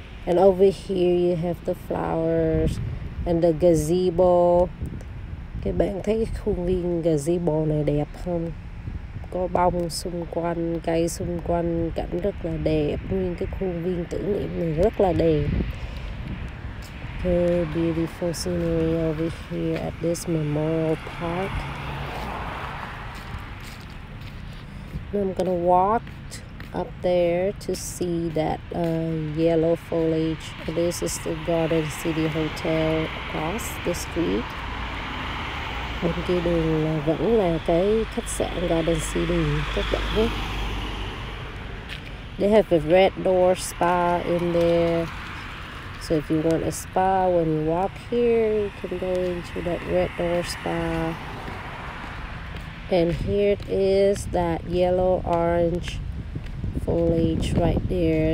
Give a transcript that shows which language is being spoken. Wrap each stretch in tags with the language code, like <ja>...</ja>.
<en>And over here you have the flowers and the gazebo.</en> <vi>Các bạn thấy khung viên gazebo này đẹp không? Có bông xung quanh, cây xung quanh, cảnh rất là đẹp. Nguyên cái khuôn viên tưởng niệm này rất là đẹp.</vi> <en>Okay, beautiful scenery over here at this memorial park. I'm gonna walk up there to see that yellow foliage. This is the Garden City Hotel across the street.</en> <vi>Bên kia đường là vẫn là cái khách sạn Garden City các bạn nhé.</vi> <en>They have a red door spa in there. So if you want a spa when you walk here, you can go into that red door spa. And here it is, that yellow orange foliage right there.</en>